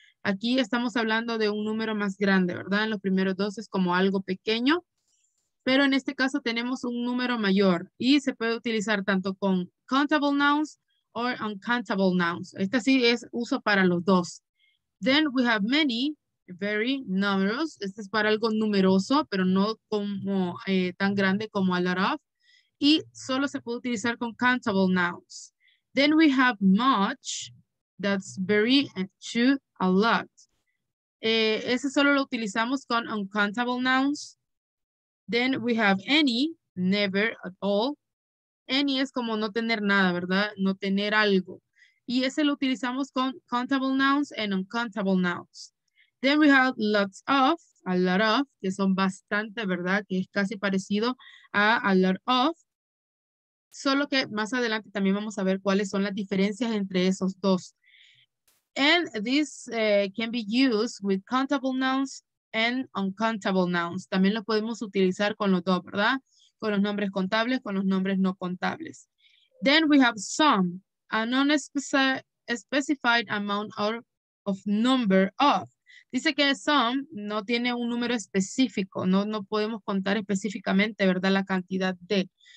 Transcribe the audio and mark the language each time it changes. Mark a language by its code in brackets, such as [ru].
[es] Aquí estamos hablando de un número más grande, ¿verdad? En los primeros dos es como algo pequeño, pero en este caso tenemos un número mayor y se puede utilizar tanto con [en] countable nouns or uncountable nouns. Este sí es uso para los dos. Then we have many, very numerous. [es] Este es para algo numeroso, pero no como tan grande como a lot of. Y solo se puede utilizar con countable nouns. [en] Then we have much, that's very and to a lot. [es] Ese solo lo utilizamos con uncountable nouns. [en] Then we have any, never at all. Any [es] es como no tener nada, ¿verdad? No tener algo. Y ese lo utilizamos con [en] countable nouns and uncountable nouns. Then we have lots of, a lot of, [es] que son bastante, ¿verdad? Que es casi parecido a lot of. Solo que más adelante también vamos a ver cuáles son las diferencias entre esos dos. [en] And this can be used with countable nouns and uncountable nouns. [es] También lo podemos utilizar con los dos, ¿verdad? Con los nombres contables, con los nombres no contables. [en] Then we have some. A non-specified amount of number of. [es] Dice que some no tiene un número específico, no podemos contar específicamente, ¿verdad?, la cantidad de.